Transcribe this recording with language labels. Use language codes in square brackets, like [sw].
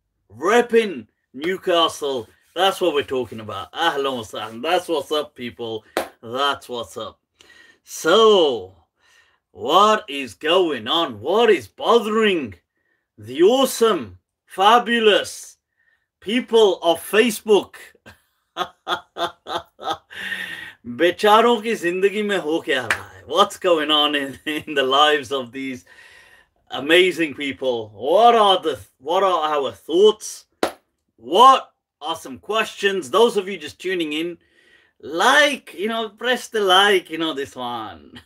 [en] Repping Newcastle. That's what we're talking about. [ar] Ahlan wasahlan. [en] That's what's up, people. That's what's up. So, what is going on? What is bothering the awesome, fabulous people of Facebook? [ur] بیچاروں کی زندگی میں ہو کیا رہا ہے؟ [en] What's going on in the lives of these amazing people? What are our thoughts? What are some questions? Those of you just tuning in, like, you know, press the like, you know, this one.